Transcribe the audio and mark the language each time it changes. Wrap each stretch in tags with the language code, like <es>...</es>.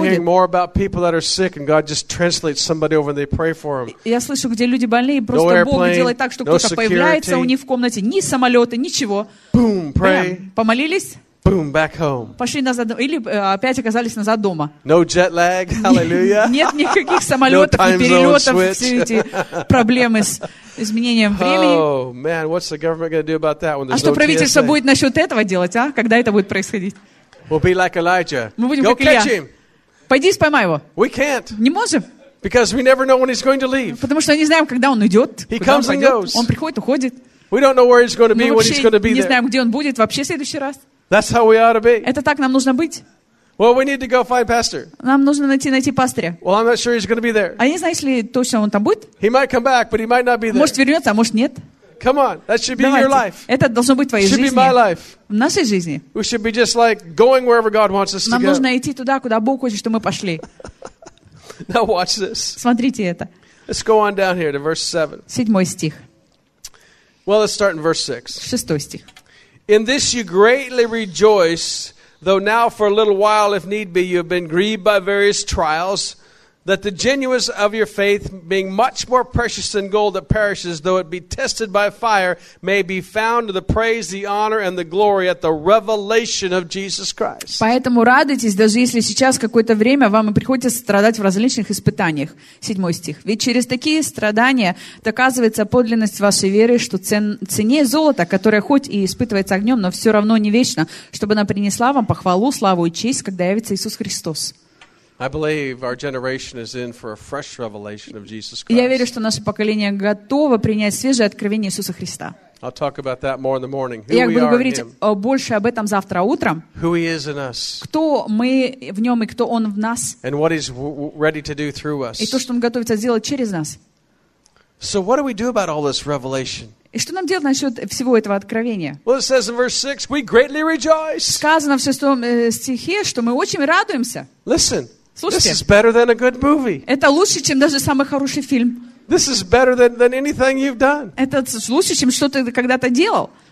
<en>I'm hearing more about people that are sick and God just translates somebody over and they pray for them.</en> <ru>Я слышу, где люди больные, просто</ru> <en>no airplane,</en> <ru>Бог делает так, что</ru> <en>no</en> <ru>кто-то</ru> <en>security.</en> <ru>Появляется у них в комнате, ни самолета, ничего.</ru> <en>Boom, pray.</en> <ru>Прям помолились.</ru> <en>Boom, back home.</en> <ru>Пошли назад, или опять оказались назад дома.</ru> <en>No jet lag, hallelujah.</en> <ru>Нет никаких самолетов и перелетов, все эти проблемы с изменением времени. А что правительство будет насчет этого делать, а? Когда это будет происходить?</ru> <en>We'll be like Elijah.</en> <ru>Мы будем как Илия. Пойди и поймай его.</ru> <en>We can't.</en> <ru>Не можем.</ru> <en>Because we never know when he's going to leave.</en> <ru>Потому что не знаем, когда он уйдет.</ru> <en>He comes and goes.</en> <ru>Он приходит, уходит.</ru> <en>We don't know where he's going to be, when he's going to be there.</en> <ru>Не знаем, где он будет вообще в следующий раз.</ru> <en>That's how we ought to be.</en> <ru>Это так нам нужно быть.</ru> <en>Well, we need to go find pastor.</en> <ru>Нам нужно найти пастыря.</ru> <en>Well, I'm not sure he's going to be there.</en> <ru>А не знаешь ли точно, он там будет?</ru> <en>He might come back, but he might not be there.</en> <ru>Может вернется, а может нет.</ru> <en>Come on, that should be</en> <ru>Давайте.</ru> <en>Your life.</en> <ru>Это должно быть твоей</ru> <en>should</en> <ru>жизни.</ru> <en>Should be my life.</en> <ru>В нашей жизни.</ru> <en>We should be just like going wherever God wants us</en> <ru>нам</ru> <en>to go.</en> <ru>Нам нужно идти туда, куда Бог хочет, чтобы мы пошли.</ru> <en>Now watch this.</en> <ru>Смотрите это.</ru> <en>Let's go on down here to verse 7.</en> <ru>Седьмой стих.</ru> <en>Well, let's start in verse 6.</en> <ru>Шестой стих.</ru> <en>In this you greatly rejoice, though now for a little while, if need be, you have been grieved by various trials, that the genuineness of your faith, being much more precious than gold that perishes, though it be tested by fire, may be found to the praise, the honor, and the glory at the revelation of Jesus Christ.</en> <ru>Поэтому радуйтесь, даже если сейчас какое-то время вам и приходится страдать в различных испытаниях. Седьмой стих. Ведь через такие страдания доказывается подлинность вашей веры, что цене золота, которое хоть и испытывается огнем, но все равно не вечно, чтобы она принесла вам похвалу, славу и честь, когда явится Иисус Христос.</ru> <en>I believe our generation is in for a fresh revelation of Jesus Christ.</en> <ru>Я верю, что наше поколение готово принять свежее откровение Иисуса Христа.</ru> <en>I'll talk about that more in the morning.</en> <ru>Я буду говорить больше об этом завтра утром.</ru> <en>Who he is in us.</en> <ru>Кто мы в нем и кто он в нас.</ru> <en>And what he's ready to do through us.</en> <ru>И то, что он готовится сделать через нас.</ru> <en>So what do we do about all this revelation?</en> <ru>И что нам делать насчет всего этого откровения?</ru> <en>Well, it says in verse 6, we greatly rejoice.</en> <ru>Сказано в шестом стихе, что мы очень радуемся.</ru> <en>Listen.</en> <ru>Слушайте,</ru> <en>this is better than a good movie.</en> <ru>Это лучше, чем даже самый хороший фильм.</ru> <en>This is better than anything you've done.</en> <ru>Это лучше, чем что ты когда-то делал.</ru>